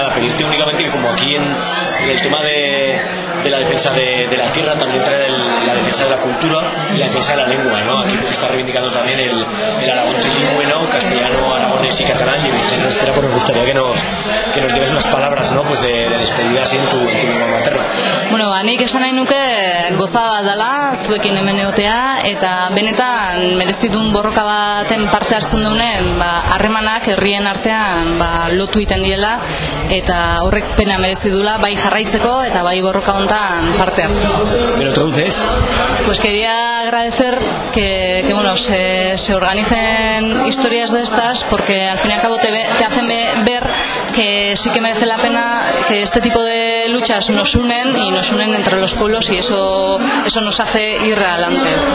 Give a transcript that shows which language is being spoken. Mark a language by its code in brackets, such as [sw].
[es] Nada, pedirte únicamente que como aquí en el tema de la defensa de la tierra, también trae la defensa de la cultura y la defensa de la lengua, ¿no? Aquí se pues está reivindicando también el aragón trilingüe, ¿no? Castellano, aragonés y catalán, y en euskera, pues nos gustaría que nos lleves unas palabras, ¿no? Pues de despedida así en tu lengua materna. [eu] Bueno, anik esan nahi nuke goza bat dala zuekin hemen egotea, eta benetan merezidun borroka baten parte hartzen duenen, ba, harremanak herrien artean ba, lotu iten diela, eta horrek pena merezidula bai jarraitzeko eta bai borroka hontan parte hartzen. [es] Bero, traduces? Pues quería agradecer que bueno, se organicen historias de estas, porque al fin y al cabo te hacen ver que sí que merece la pena que este tipo de luchas nos unen y nos unen entre los pueblos, y eso nos hace ir adelante.